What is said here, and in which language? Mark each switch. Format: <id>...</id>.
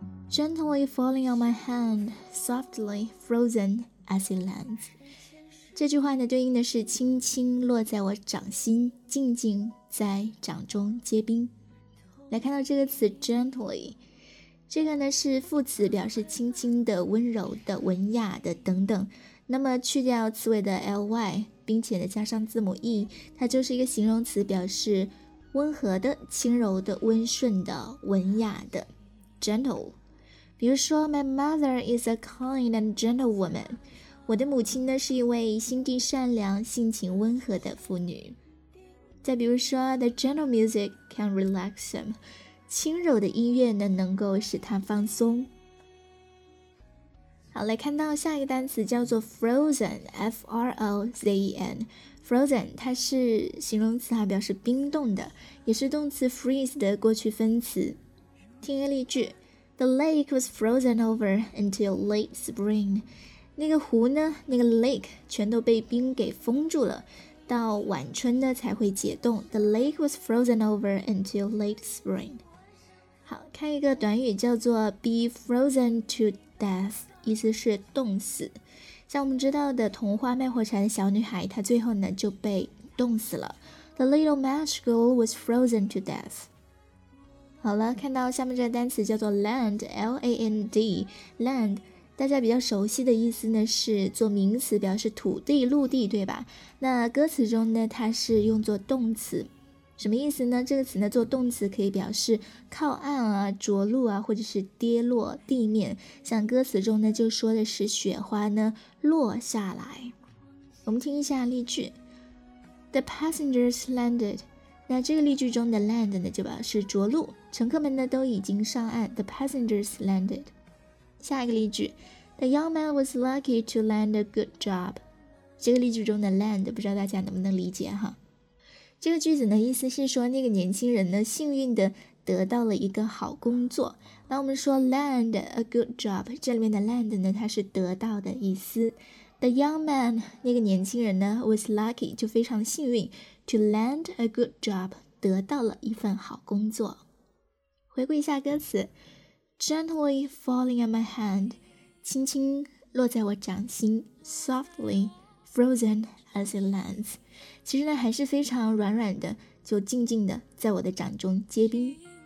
<en>Gently falling on my hand, softly frozen as it lands.</en> <zh>这句话呢，对应的是轻轻落在我掌心，静静在掌中结冰。来看到这个词 gently， 这个呢是副词，表示轻轻的、温柔的、文雅的等等。那么去掉词尾的 ly， 并且呢加上字母 e， 它就是一个形容词，表示温和的、轻柔的、温顺的、文雅的 gentle。比如说</zh> <en>My mother is a kind and gentle woman，</en> <zh>我的母亲呢是一位心地善良、性情温和的妇女。再比如说</zh> <en>The gentle music can relax him，</en> <zh>轻柔的音乐呢能够使他放松。好，来看到下一个单词叫做 frozen， F-R-O-Z-E-N， frozen 它是形容词，表示冰冻的，也是动词 freeze 的过去分词。听一个例句，</zh> <en>The lake was frozen over until late spring.</en> <zh>那个湖呢，那个 lake 全都被冰给封住了，到晚春呢才会解冻。</zh> <en>The lake was frozen over until late spring.</en> <zh>好，看一个短语叫做</zh> <en>be frozen to death，</en> <zh>意思是冻死。像我们知道的童话卖火柴的小女孩，她最后呢就被冻死了。</zh> <en>The little match girl was frozen to death.</en> <zh>好了，看到下面这个单词叫做 land， L-A-N-D， land， 大家比较熟悉的意思呢是做名词，表示土地、陆地，对吧？那歌词中呢它是用作动词，什么意思呢？这个词呢做动词可以表示靠岸啊、着陆啊，或者是跌落地面，像歌词中呢就说的是雪花呢落下来。我们听一下例句，</zh> <en>The passengers landed，</en> <zh>那这个例句中的 land 呢就表示着陆，乘客们呢都已经上岸， The passengers landed。下一个例句，</zh> <en>The young man was lucky to land a good job。</en> <zh>这个例句中的 land 不知道大家能不能理解哈。这个句子呢意思是说那个年轻人呢幸运的得到了一个好工作。那我们说</zh> <en>land a good job，</en> <zh>这里面的 land 呢它是得到的意思。</zh> <en>The young man，</en> <zh>那个年轻人呢</zh> <en>was lucky，</en> <zh>就非常幸运，</zh> <en>To land a good job，</en> <zh>得到了一份好工作。回顾一下歌词，</zh> <en>Gently falling on my hand，</en> <zh>轻轻落在我掌心，</zh> <en>Softly frozen as it lands，</en> <zh>其实呢还是非常软软的，就静静的在我的掌中结冰。</zh>